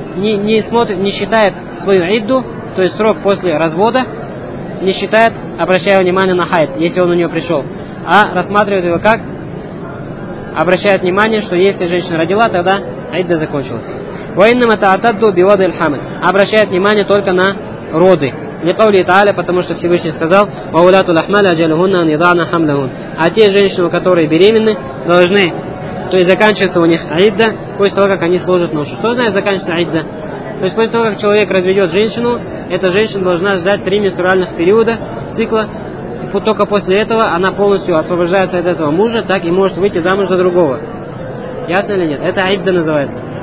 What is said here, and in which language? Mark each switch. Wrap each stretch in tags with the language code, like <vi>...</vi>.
<ru>Не смотрит, не считает свою идду, то есть срок после развода, не считает, обращая внимание на хайд, если он у нее пришел, а рассматривает его как? Обращает внимание, что если женщина родила, тогда айда закончилась.</ru> <ar>وَإِنَّمَ تَعْتَدُّ بِوَضْعِ الْحَمْلِ.</ar> <ru>Обращает внимание только на роды.</ru> <ar>لِقَوْلِهِ تَعَالَى,</ar> <ru>потому что Всевышний сказал</ru> <ar>وَأُولَاتُ الْأَحْمَالِ أَجَلُهُنَّ أَنْ يَضَعْنَ حَمْلَهُنَّ.</ar> <ru>А те женщины, которые беременны, должны, то есть заканчивается у них айда после того, как они сложат ношу. Что значит заканчивается айда? То есть после того, как человек разведет женщину, эта женщина должна ждать три менструальных периода цикла. Только после этого она полностью освобождается от этого мужа, так и может выйти замуж за другого. Ясно или нет? Это айдда называется.</ru>